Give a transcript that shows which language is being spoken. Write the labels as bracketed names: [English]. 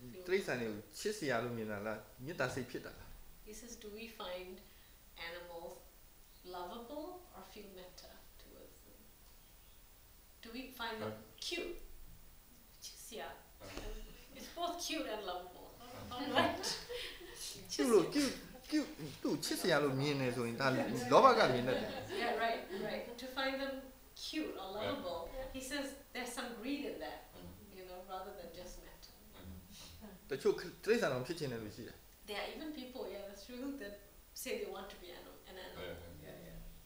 [Burmese] တိစ္ဆာန်နေချစ်စရာလို့မြင်တာလား? မေတ္တာစိတ်ဖြစ်တာလား [English] ? He says do we find animals lovable or feel metta towards them? Do we find them cute? [Burmese] ချစ်စရာ [English] It's both cute and lovable. [Burmese] ကျ [English] look you [Burmese] သူချစ်စရာလို့မြင်နေဆိုရင်ဒါလောဘကမြင်နေတယ် [English] Yeah right to find them cute or lovable he says there's some greed in that you know rather than just met [Burmese] တချို့တိစ္ဆာန်အောင်ဖြစ်ချင်တယ်လို့ရှိတယ် [English] There are even people yeah that's true that say they want to be an animal yeah yeah